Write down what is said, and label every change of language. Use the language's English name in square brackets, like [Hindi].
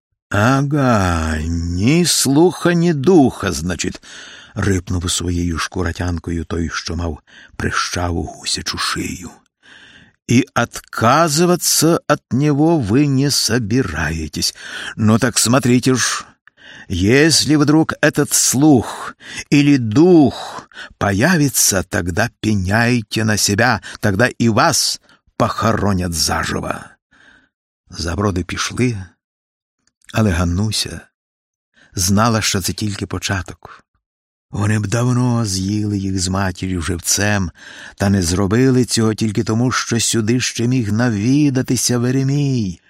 [Ukrainian] «Ага, ні слуха, ні духа, значить», – рипнув своєю шкуратянкою той, що мав прищаву гусячу шию. «І [Russian] отказываться от [Ukrainian] нього ви не собираєтесь. [Russian] Ну так смотрите ж, если вдруг этот слух или дух появится, тогда пеняйте на себя, тогда и вас похоронят заживо». [Ukrainian] Заброди пішли, але Ганнуся знала, що це тільки початок. Вони б давно з'їли їх з матір'ю живцем, та не зробили цього тільки тому, що сюди ще міг навідатися Веремій.